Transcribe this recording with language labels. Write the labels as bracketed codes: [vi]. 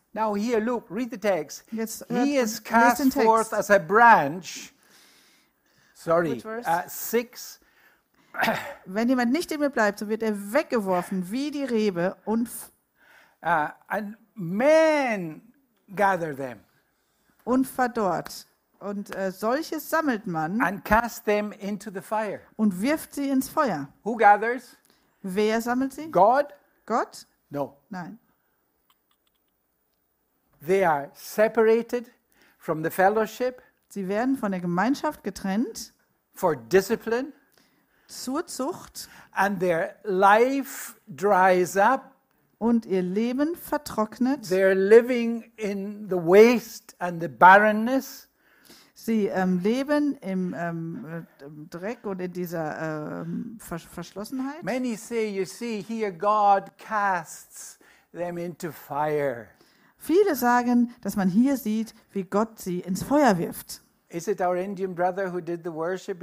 [en] Now here, look, read the text. [de] Jetzt, [en] he is cast forth as a branch. Sorry. Six. [de] Wenn jemand nicht in mir bleibt, so wird er weggeworfen wie die Rebe und [en] and men gather them. [de] Und verdorrt. Und solches sammelt man [en] and cast them into the fire. [de] Und wirft sie ins Feuer. [en] Who gathers? [de] Wer sammelt sie? [en] God? [de] Gott? [en] No. [de] Nein. [en] They are separated from the fellowship. [de] Sie werden von der Gemeinschaft getrennt. [en] For discipline. [de] Zur Zucht. [en] And their life dries up. [de] Und ihr Leben vertrocknet. [en] They are living in the waste and the barrenness. [de] Sie leben im Dreck und in dieser Verschlossenheit. [en] Many say, you see, here God casts them into fire. [de] Viele sagen, dass man hier sieht, wie Gott sie ins Feuer wirft. [en] Is it our Indian brother who did the worship?